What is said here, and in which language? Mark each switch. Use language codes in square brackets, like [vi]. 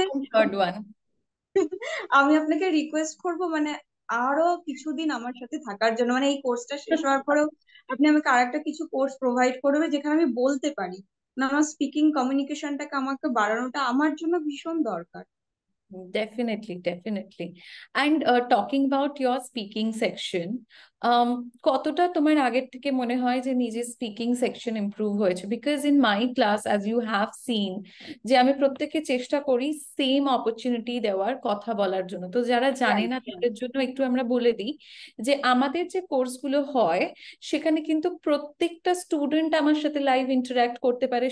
[bn] এখন third one. আমি আপনাকে রিকোয়েস্ট করব মানে আরো কিছুদিন আমার সাথে থাকার জন্য, মানে এই কোর্সটা শেষ হওয়ার পরেও আপনি আমাকে আরেকটা কিছু কোর্স প্রোভাইড করবে যেখানে আমি বলতে পারি না, আমার স্পিকিং কমিউনিকেশনটাকে আমাকে বাড়ানোটা আমার জন্য ভীষণ দরকার। [en] Definitely, definitely. And talking about your speaking section, [bn] কতটা তোমার আগের থেকে মনে হয় যে নিজের স্পিকিং সেকশন ইমপ্রুভ হয়েছে? [en] because in my class, as you have seen, [bn] যে আমি প্রত্যেককে চেষ্টা করি সেম অপরচুনিটি দেওয়ার, কথা বলার জন্য। তো যারা জানে না তাদের জন্য একটু আমরা বলে দিই যে আমাদের যে কোর্সগুলো হয় সেখানে কিন্তু প্রত্যেকটা স্টুডেন্ট আমার সাথে লাইভ ইন্টারাক্ট করতে পারে।